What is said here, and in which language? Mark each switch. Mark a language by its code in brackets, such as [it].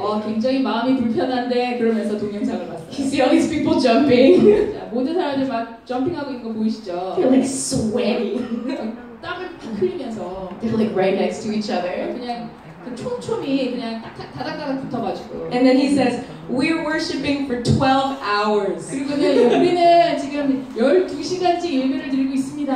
[ko] 굉장히 마음이 불편한데 그러면서 동영상을 봤어요. [en] You see all these people jumping. [ko] 모든 사람들 막 점핑하고 있는 거 보이시죠? [en] They're like sweaty. [ko] 땀을 막 흘리면서. [en] They're like right next to each other. [ko] 그냥 그 촘촘히 그냥 다닥다닥 붙어가지고. [en] And then he says, "We're worshiping for 12 hours." [ko] 그리고 우리는 지금 12시간째 예배를 드리고 있습니다.